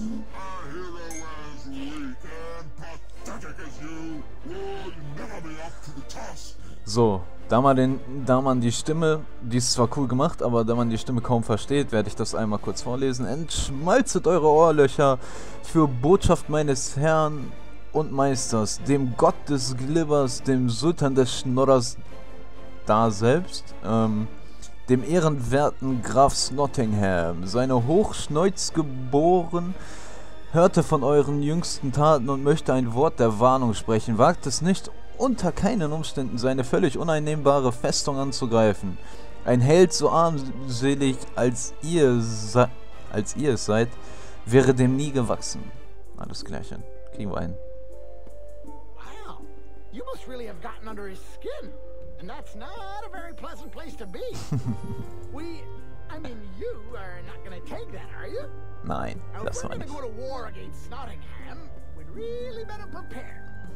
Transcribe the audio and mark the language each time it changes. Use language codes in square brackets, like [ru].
[en] A hero as weak and pathetic as you would never be up to the task. [de] So, da man die Stimme, die ist zwar cool gemacht, aber da man die Stimme kaum versteht, werde ich das einmal kurz vorlesen. Entschmalzet eure Ohrlöcher für Botschaft meines Herrn und Meisters, dem Gott des Glibbers, dem Sultan des Schnodders da selbst, dem ehrenwerten Graf Snottingham. Seine Hochschneuz geboren hörte von euren jüngsten Taten und möchte ein Wort der Warnung sprechen. Wagt es nicht, unter keinen Umständen seine völlig uneinnehmbare Festung anzugreifen. Ein Held so armselig als ihr es seid, wäre dem nie gewachsen. Alles klärchen. Kriegen wir ein. [en] Wow, you must really have gotten under his skin. And that's not a very pleasant place to be. You are not gonna take that, are you? [de] Nein, das war nicht. [en] If we're gonna go to war against Snottingham, we'd really better prepare.